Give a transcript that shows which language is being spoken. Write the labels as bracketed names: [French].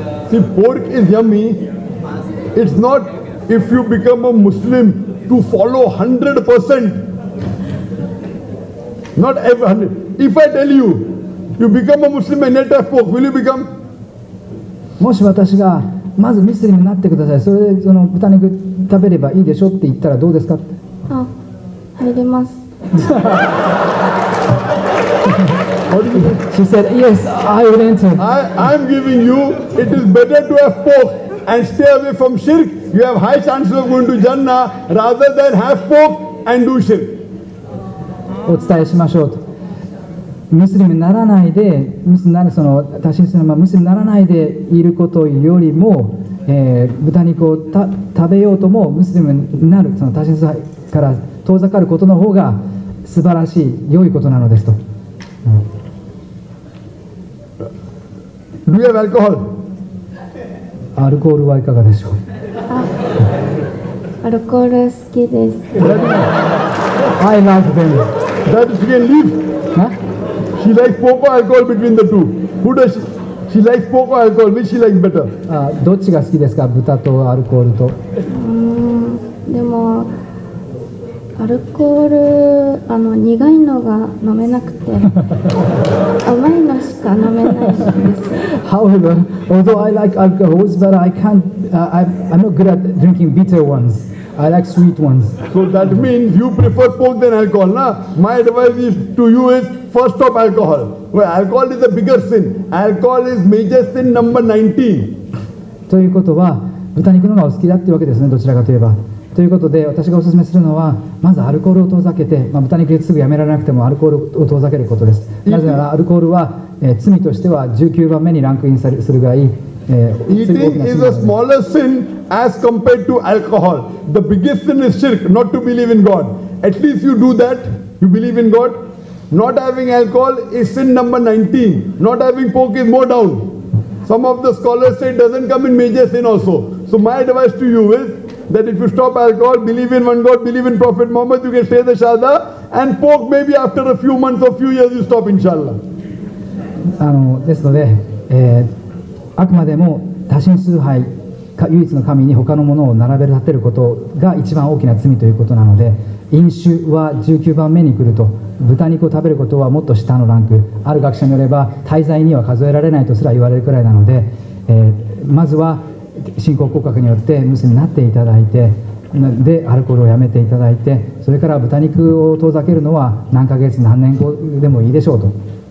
[English] See, pork is yummy. It's not if you become a Muslim to follow 100%. Not every 100. If I tell you, you become a Muslim and yet have pork, will you become? [Japanese] もし私がまずムスリムになってください、それでその豚肉食べればいいでしょって言ったらどうですか？あ、入れます。 [English] She said, "Yes, I will enter." I'm giving you. It is better to have pork and stay away from shirk. You have high chances of going to Jannah rather than have pork and do shirk. [Japanese] お伝えしましょうと、ムスリムにならないで、ムスならその多神するまムスリムにならないでいることよりも、豚肉を食べようともムスリムになる、その多神するから遠ざかることの方が素晴らしい良いことなのですと。 [English] Do you have alcohol? [Japanese] アルコールはいかがでしょう。アルコール好きです。 [English] I love them. That she can leave. Huh? She likes pork or alcohol between the two. Who does she? She likes pork or alcohol. Which she likes better? [Japanese] Ah, どっちが好きですか、豚とアルコールと。でもアルコール苦いのが飲めなくて、甘いのしか飲めないんです。 [English] However, although I like alcohols, but I can't. I'm not good at drinking bitter ones. I like sweet ones. So that means you prefer pork than alcohol, na? My advice is to you is first stop alcohol. Well, alcohol is a bigger sin. Alcohol is major sin number 19. [Japanese] ということは、豚肉の方がお好きだっていうわけですね、どちらかといえば。ということで、私がお勧めするのは、まずアルコールを遠ざけて、まあ、豚肉すぐやめられなくてもアルコールを遠ざけることです。なぜならアルコールは、罪としては19番目にランクインするぐらい、 [English] Eating is a smaller sin as compared to alcohol. The biggest sin is shirk, not to believe in God. At least you do that, you believe in God. Not having alcohol is sin number 19. Not having pork is more down. Some of the scholars say it doesn't come in major sin also. So my advice to you is that if you stop alcohol, believe in one God, believe in Prophet Muhammad, you can say the Shahada, and pork maybe after a few months or few years you stop, inshallah. [Japanese] ですので、あくまでも多神崇拝唯一の神に他のものを並べ立てることが一番大きな罪ということなので、飲酒は19番目に来ると、豚肉を食べることはもっと下のランク、ある学者によれば滞在には数えられないとすら言われるくらいなので、まずは信仰告白によってムスリムになっていただいて、でアルコールをやめていただいて、それから豚肉を遠ざけるのは何ヶ月何年後でもいいでしょうと。